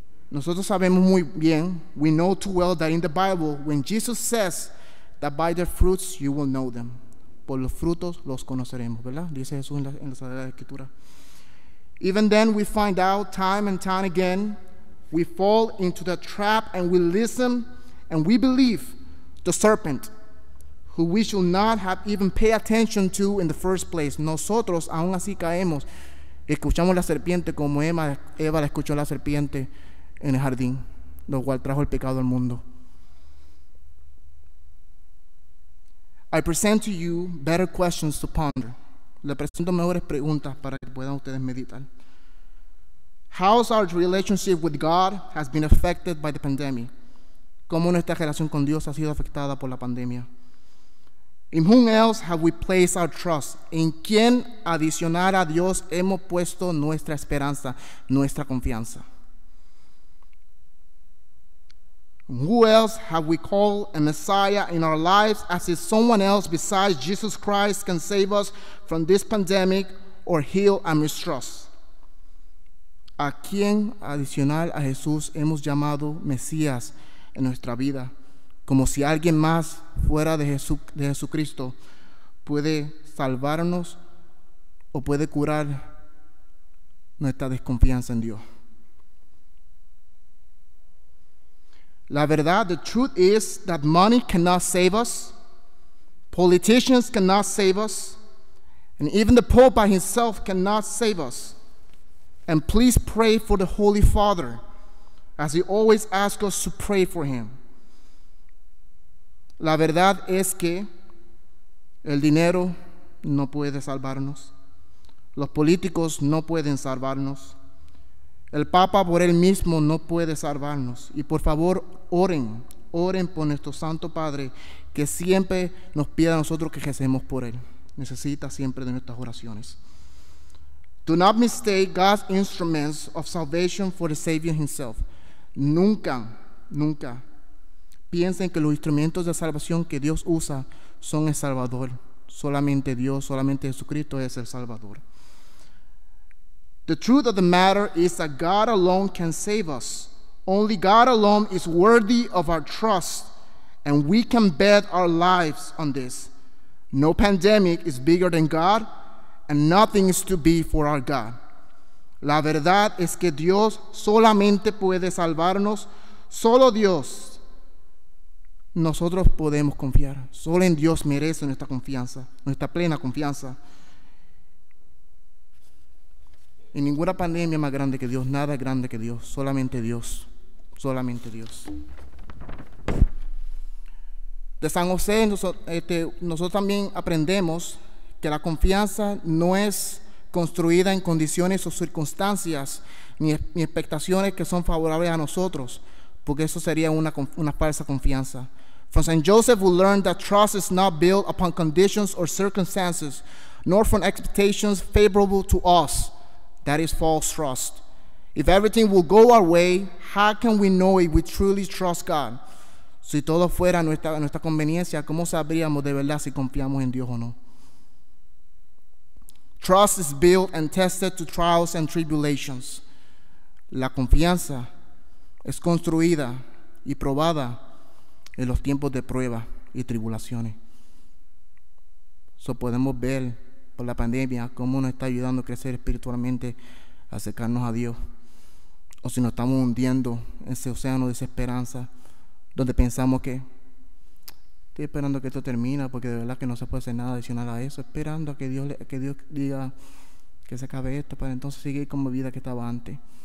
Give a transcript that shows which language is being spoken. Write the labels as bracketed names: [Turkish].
[Spanish] Nosotros sabemos muy bien, [English] we know too well that in the Bible, when Jesus says that by their fruits you will know them. [Spanish] Por los frutos los conoceremos, ¿verdad? Dice Jesús en la Sagrada Escritura. [English] Even then, we find out time and time again, we fall into the trap and we listen and we believe the serpent, who we should not have even paid attention to in the first place. [Spanish] Nosotros aún así caemos. Escuchamos la serpiente como Eva la escuchó la serpiente en el jardín, lo cual trajo el pecado al mundo. [English] I present to you better questions to ponder. [Spanish] Le presento mejores preguntas para que puedan ustedes meditar. [English] How has our relationship with God has been affected by the pandemic? [Spanish] ¿Cómo nuestra relación con Dios ha sido afectada por la pandemia? [English] In whom else have we placed our trust? [Spanish] ¿En quién adicionar a Dios hemos puesto nuestra esperanza, nuestra confianza? [English] Who else have we called a Messiah in our lives, as if someone else besides Jesus Christ can save us from this pandemic or heal our mistrust? [Spanish] ¿A quién adicional a Jesús hemos llamado Mesías en nuestra vida, como si alguien más fuera de Jesucristo puede salvarnos o puede curar nuestra desconfianza en Dios? La verdad, [English] the truth is that money cannot save us, politicians cannot save us, and even the Pope by himself cannot save us. And please pray for the Holy Father, as he always asks us to pray for him. [Spanish] La verdad es que el dinero no puede salvarnos, los políticos no pueden salvarnos, el Papa por él mismo no puede salvarnos. Y por favor, oren, oren por nuestro Santo Padre, que siempre nos pida a nosotros que recemos por él. Necesita siempre de nuestras oraciones. [English] Do not mistake God's instruments of salvation for the Savior himself. [Spanish] Nunca, nunca piensen que los instrumentos de salvación que Dios usa son el Salvador. Solamente Dios, solamente Jesucristo es el Salvador. [English] The truth of the matter is that God alone can save us. Only God alone is worthy of our trust, and we can bet our lives on this. No pandemic is bigger than God, and nothing is too big for our God. [Spanish] La verdad es que Dios solamente puede salvarnos. Solo Dios. Nosotros podemos confiar. Solo en Dios merece nuestra confianza, nuestra plena confianza. Y ninguna pandemia más grande que Dios, nada grande que Dios, solamente Dios, solamente Dios. De San José, nosotros también aprendemos que la confianza no es construida en condiciones o circunstancias ni expectaciones que son favorables a nosotros, porque eso sería una falsa confianza. [English] From St. Joseph, we learned that trust is not built upon conditions or circumstances, nor from expectations favorable to us. That is false trust. If everything will go our way, how can we know if we truly trust God? [Spanish] Si todo fuera nuestra conveniencia, ¿cómo sabríamos de verdad si confiamos en Dios o no? [English] Trust is built and tested to trials and tribulations. [Spanish] La confianza es construida y probada en los tiempos de prueba y tribulaciones. So podemos ver por la pandemia cómo nos está ayudando a crecer espiritualmente, a acercarnos a Dios, o si nos estamos hundiendo en ese océano de desesperanza donde pensamos que estoy esperando que esto termine, porque de verdad que no se puede hacer nada adicional a eso, esperando a que Dios diga que se acabe esto para entonces seguir con mi vida que estaba antes.